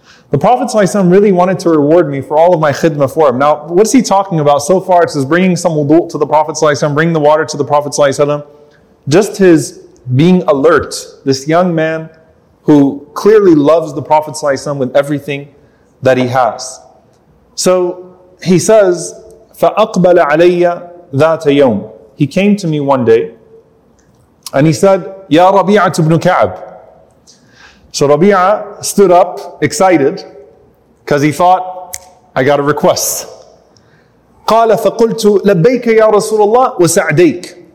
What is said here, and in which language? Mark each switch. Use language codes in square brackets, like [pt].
[en] The Prophet ﷺ really wanted to reward me for all of my khidmah for him. Now, what is he talking about so far? It says bringing some wudu to the Prophet ﷺ, bringing the water to the Prophet ﷺ. Just his being alert, this young man who clearly loves the Prophet ﷺ with everything that he has. So he says, [ar] فَأَقْبَلَ عَلَيَّ ذَاتَ يَوْمٍ. [en] He came to me one day, and he said, يَا رَبِيعَةُ بْنُ كَعَبٍ. So Rabi'a stood up, excited, because he thought, I got a request. [ar] قَالَ فَقُلْتُ لَبَّيْكَ يَا رَسُولَ اللَّهِ وَسَعْدَيْكَ.